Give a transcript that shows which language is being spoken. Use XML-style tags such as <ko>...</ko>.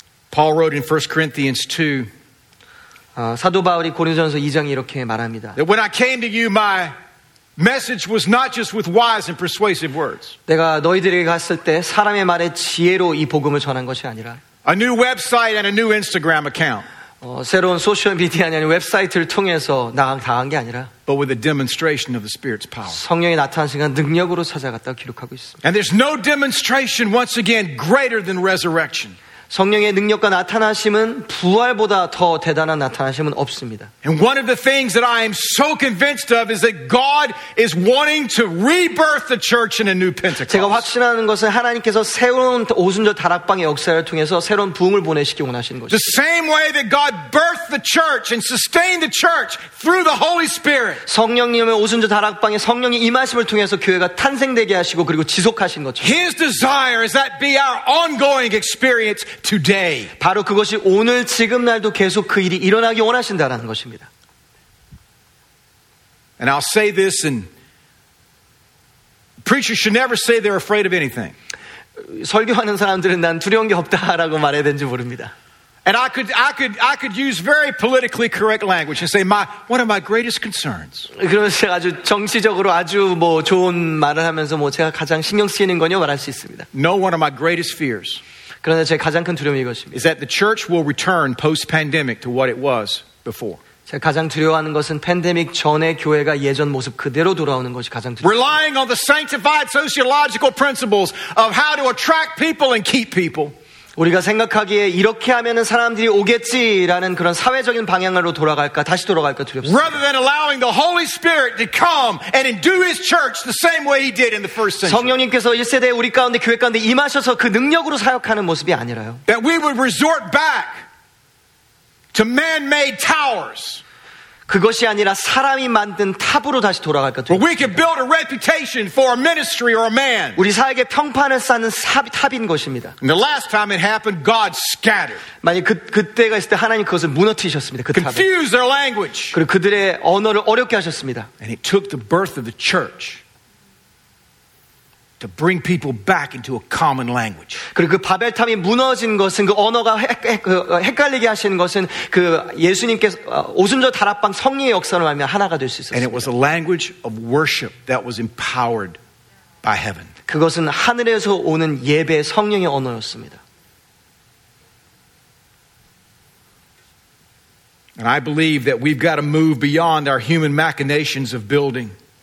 <en>Paul wrote in 1 Corinthians 2.</en> <ko>사도 바울이 고린도전서 2장에 이렇게 말합니다.</ko> <en>That when I came to you my message was not just with wise and persuasive words.</en> <ko>내가 너희들에게 갔을 때 사람의 말에 지혜로 이 복음을 전한 것이 아니라</ko> <en>A new website and a new Instagram account.</en> <ko>새로운 소셜 미디어 아니면 웹사이트를 통해서 나간 당한 게 아니라.</ko> <en>But with a demonstration of the Spirit's power.</en> <ko>성령이 나타난 순간 능력으로 찾아갔다고 기록하고 있습니다.</ko> <en>And there's no demonstration once again greater than resurrection.</en> <ko>성령의 능력과 나타나심은 부활보다 더 대단한 나타나심은 없습니다.</ko> <en>And one of the things that I am so convinced of is that God is wanting to rebirth the church in a new Pentecost.</en> <ko>제가 확신하는 것은 하나님께서 새로운 오순절 다락방의 역사를 통해서 새로운 부흥을 보내시기 원하시는 것입니다.</ko> <en>The same way that God birthed the church and sustained the church through the Holy Spirit.</en> <ko>성령님의 오순절 다락방에 성령이 임하심을 통해서 교회가 탄생되게 하시고 그리고 지속하신 것입니다.</ko> <en>His desire is that be our ongoing experience. Today.</en> <ko>바로 그것이 오늘 지금 날도 계속 그 일이 일어나기 원하신다라는 것입니다.</ko> <en>And I'll say this, and preachers should never say they're afraid of anything.</en> <ko>설교하는 사람들은 난 두려운 게 없다라고 말해야 되는지 모릅니다.</ko> <en>And I could use very politically correct language and say one of my greatest concerns.</en> <ko>그러면서 아주 정치적으로 아주 뭐 좋은 말을 하면서 뭐 제가 가장 신경 쓰이는 거냐 말할 수 있습니다.</ko> <en>No, one of my greatest fears.</en> <ko>그러나 제 가장 큰 두려움이 이것입니다.</ko> <en>Is that the church will return post-pandemic to what it was before?</en> <ko>제가 가장 두려워하는 것은 팬데믹 전에 교회가 예전 모습 그대로 돌아오는 것이 가장 두려워.</ko> <en>Relying on the sanctified sociological principles of how to attract people and keep people.</en> <ko>우리가 생각하기에 이렇게 하면은 사람들이 오겠지라는 그런 사회적인 방향으로 돌아갈까 다시 돌아갈까 두렵습니다.</ko> <en>Rather than allowing the Holy Spirit to come and do His church the same way He did in the first century.</en> <ko>성령님께서 1세대 우리 가운데 교회 가운데 임하셔서 그 능력으로 사역하는 모습이 아니라요.</ko> <en>That we would resort back to man-made towers.</en> <ko>그것이 아니라 사람이 만든 탑으로 다시 돌아갈까</ko> <en>We can build a reputation for a ministry or a man.</en> <ko>우리 사역의 평판을 쌓는 탑인 것입니다.</ko> <en>And the last time it happened, God scattered.</en> <ko>만약 그때가 있을 때 하나님 그것을 무너뜨리셨습니다. 그 탑을.</ko> <en>Confused their language.</en> <ko>그리고 그들의 언어를 어렵게 하셨습니다.</ko> <en>And it took the birth of the church to bring people back into a common language.</en> <ko>그리고 그 바벨탑이 무너진 것은 그 언어가 헷갈리게 하시는 것은 그 예수님께서 오순절 다락방 성령의 역사로 말미암아 하나가 될 수 있었어요.</ko> <en>And it was a language of worship that was empowered by heaven.</en> <ko>그것은 하늘에서 오는 예배 성령의 언어였습니다.</ko> <en>And I believe that we've got to move beyond our human machinations of building.</en>